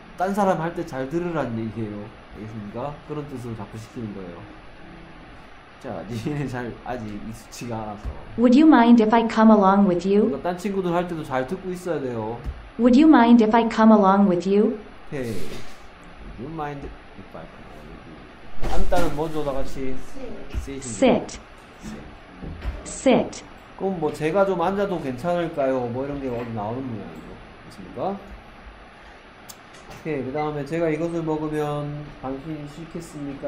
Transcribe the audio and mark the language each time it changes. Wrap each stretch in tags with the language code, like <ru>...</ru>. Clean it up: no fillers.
<ko>딴 사람 할 때 잘 들으라는 얘기예요. 알겠습니까? 그런 뜻으로 자꾸 시키는 거예요. 자, 니네 잘 아직 익숙치가 않아서.</ko> <en>Would you mind if I come along with you?</en> <ko>그러니까 딴 친구들 할 때도 잘 듣고 있어야 돼요.</ko> <en>Would you mind if I come along with you? Okay. Would you mind if I come along with you?</en> <ko>앉다는 뭐죠, 다 같이?</ko> <en>Sit. Sit.</en> <ko>그럼 뭐 제가 좀 앉아도 괜찮을까요? 뭐 이런 게 어디 나오는 모양이죠. 맞습니까? 오케이. 그 다음에 제가 이것을 먹으면 당신이 싫겠습니까?</ko>